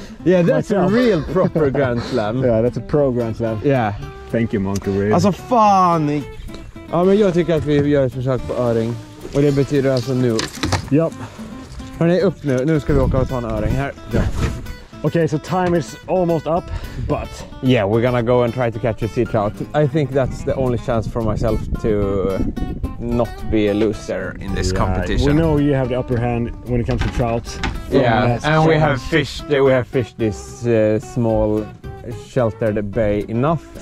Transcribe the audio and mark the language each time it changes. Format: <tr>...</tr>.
<en>Yeah, that's myself. A real proper grand slam. Yeah, that's a pro grand slam. Yeah. Thank you, Monkey Ray.</en> <sv>Alltså fan! Ja, men jag tycker att vi gör ett försök på öring. Och det betyder alltså nu. Japp. Hörrni, upp nu. Nu ska vi åka och ta en öring här.</sv> <en>Ja. Okay, so time is almost up, but... Yeah, we're gonna go and try to catch a sea trout. I think that's the only chance for myself to not be a loser in this competition. We know you have the upper hand when it comes to trout. And we have fished this small sheltered bay enough.</en>